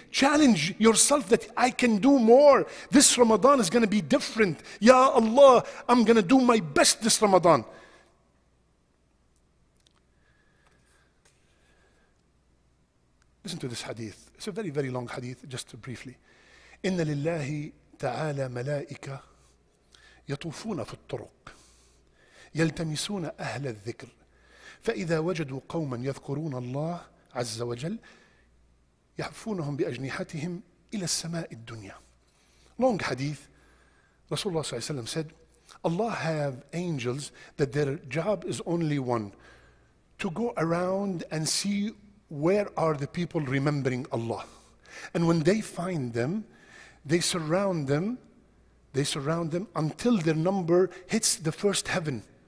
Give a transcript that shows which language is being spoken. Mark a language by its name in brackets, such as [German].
[English] Challenge yourself that I can do more. This Ramadan is going to be different. Ya Allah, I'm going to do my best this Ramadan. Listen to this hadith. It's a very, very long hadith, just briefly. [Arabic] Inna lillahi تعالى ملائكة يطوفون في الطرق يلتمسون أهل الذكر فإذا وجدوا قوما يذكرون الله عز وجل يحفونهم بأجنحتهم إلى السماء الدنيا. [English] Long hadith. [Arabic] رسول الله صلى الله عليه وسلم [English] said, Allah have angels that their job is only one, to go around and see where are the people remembering Allah, and when they find them, They surround them until their number hits the first heaven.